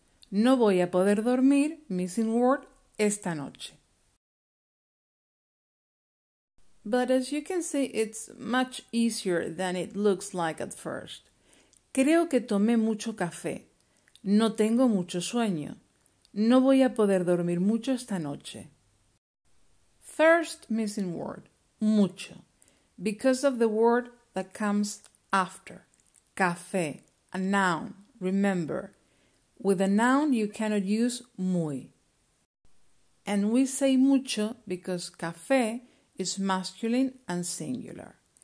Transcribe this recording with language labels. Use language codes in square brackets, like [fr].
[es] No voy a poder dormir, [en] missing word, [es] esta noche. [en] But as you can see, it's much easier than it looks like at first. [es] Creo que tomé mucho café. No tengo mucho sueño. No voy a poder dormir mucho esta noche. [en] First missing word, mucho, because of the word that comes after, café, a noun. Remember, with a noun you cannot use muy. And we say mucho because café is masculine and singular.